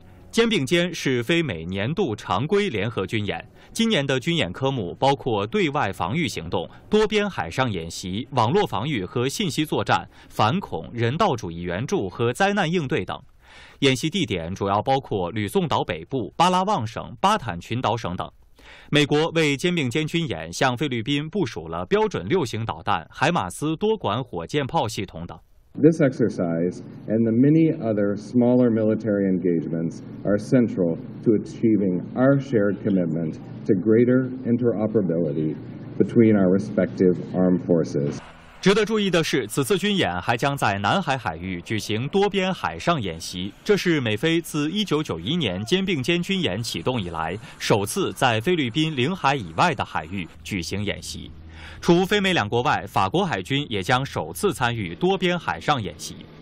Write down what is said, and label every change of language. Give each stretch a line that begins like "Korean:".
Chinese: 肩并肩是非美年度常规联合军演，今年的军演科目包括对外防御行动、多边海上演习、网络防御和信息作战、反恐、人道主义援助和灾难应对等。演习地点主要包括吕宋岛北部、巴拉望省、巴坦群岛省等。美国为兼并兼军演，向菲律宾部署了标准六型导弹、海马斯多管火箭炮系统等。
English: This exercise and the many other smaller military engagements are central to achieving our shared commitment to greater interoperability between our respective armed forces.
Chinese: 值得注意的是，此次军演还将在南海海域举行多边海上演习，这是美菲自1991年肩并肩军演启动以来首次在菲律宾领海以外的海域举行演习。除非美两国外，法国海军也将首次参与多边海上演习。